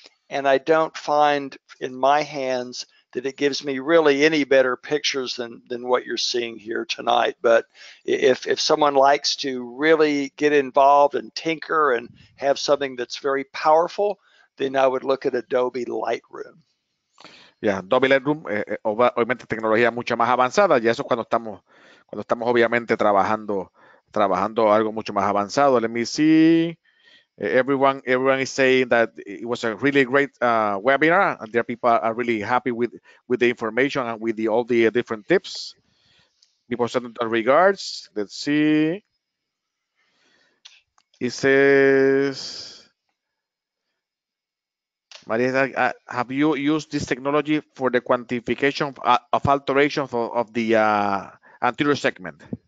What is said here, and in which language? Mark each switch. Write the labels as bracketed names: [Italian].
[English] And I don't find in my hands that it gives me really any better pictures than what you're seeing here tonight. But if someone likes to really get involved and tinker and have something that's very powerful, then I would look at Adobe Lightroom. [Spanish] Ya, Double Lightroom, obviamente tecnología mucho más avanzada, y eso es cuando estamos obviamente trabajando algo mucho más avanzado. [English] Let me see. Everyone is saying that it was a really great webinar, and their people are really happy with the information and with all the different tips. People send their regards. Let's see. It says, Maria, have you used this technology for the quantification of alterations of the anterior segment?